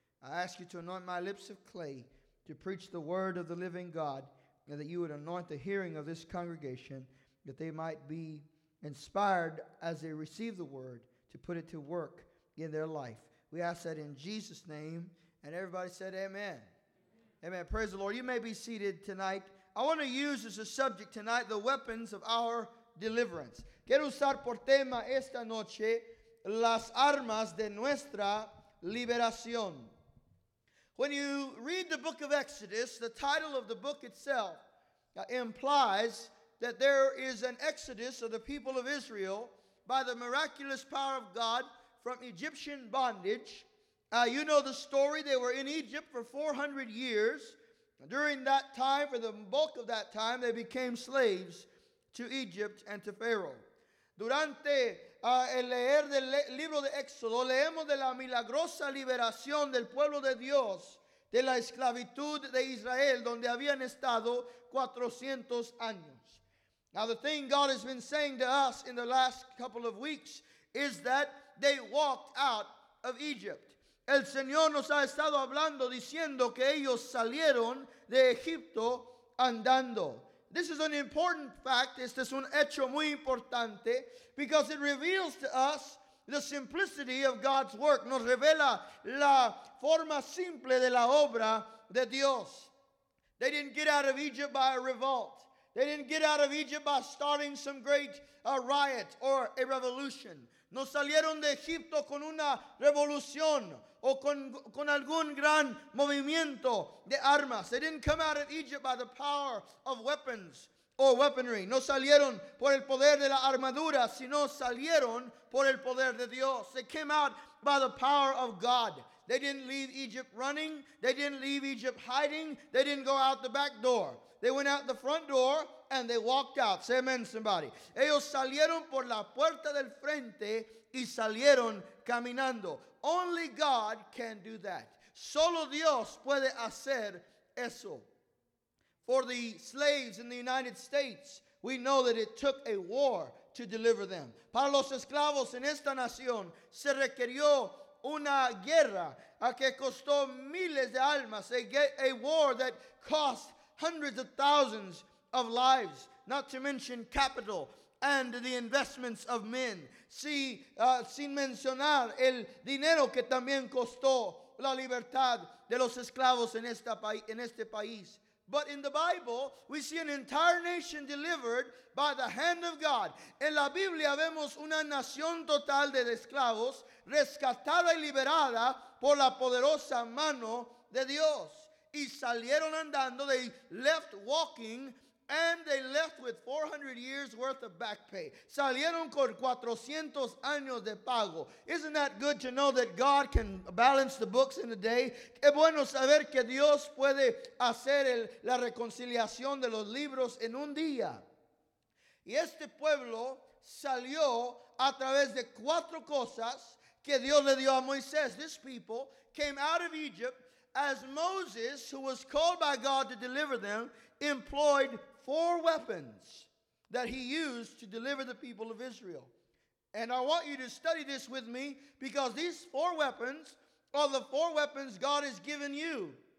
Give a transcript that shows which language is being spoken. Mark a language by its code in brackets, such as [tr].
[en] I ask you to anoint my lips of clay to preach the word of the living God, and that you would anoint the hearing of this congregation, that they might be inspired as they receive the word to put it to work in their life. We ask that in Jesus' name, and everybody said amen. Amen. Praise the Lord. You may be seated tonight. I want to use as a subject tonight the weapons of our deliverance. [es] Quiero usar por tema esta noche las armas de nuestra liberación. [en] When you read the book of Exodus, the title of the book itself implies that there is an exodus of the people of Israel by the miraculous power of God from Egyptian bondage. You know the story. They were in Egypt for 400 years. During that time, for the bulk of that time, they became slaves to Egypt and to Pharaoh. [es] Durante el leer del libro de Éxodo, leemos de la milagrosa liberación del pueblo de Dios de la esclavitud de Israel, donde habían estado 400 años. [en] Now, the thing God has been saying to us in the last couple of weeks is that they walked out of Egypt. [es] El Señor nos ha estado hablando diciendo que ellos salieron de Egipto andando. [en] This is an important fact. [es] Este es un hecho muy importante [en] because it reveals to us the simplicity of God's work. [es] Nos revela la forma simple de la obra de Dios. [en] They didn't get out of Egypt by a revolt. They didn't get out of Egypt by starting some great riot or a revolution. [es] No salieron de Egipto con una revolución o con algún gran movimiento de armas. [en] They didn't come out of Egypt by the power of weapons or weaponry. [es] No salieron por el poder de la armadura, sino salieron por el poder de Dios. [en] They came out by the power of God. They didn't leave Egypt running. They didn't leave Egypt hiding. They didn't go out the back door. They went out the front door and they walked out. Say amen, somebody. [es] Ellos salieron por la puerta del frente y salieron caminando. [en] Only God can do that. [es] Solo Dios puede hacer eso. [en] For the slaves in the United States, we know that it took a war to deliver them. [es] Para los esclavos en esta nación, se requirió una guerra que costó miles de almas. [en] A war that cost hundreds of thousands of lives, not to mention capital and the investments of men. [es] Sin mencionar el dinero que también costó la libertad de los esclavos en este país. [en] But in the Bible, we see an entire nation delivered by the hand of God. [es] En la Biblia vemos una nación total de esclavos rescatada y liberada por la poderosa mano de Dios. Y salieron andando, [en] they left walking And they left with 400 years worth of back pay. [es] Salieron con 400 años de pago. [en] Isn't that good to know that God can balance the books in a day? [es] Es bueno saber que Dios puede hacer la reconciliación de los libros en un día. Y este pueblo salió a través de cuatro cosas que Dios le dio a Moisés. [en] This people came out of Egypt as Moses, who was called by God to deliver them, employed four weapons that he used to deliver the people of Israel. And I want you to study this with me, because these four weapons are the four weapons God has given you.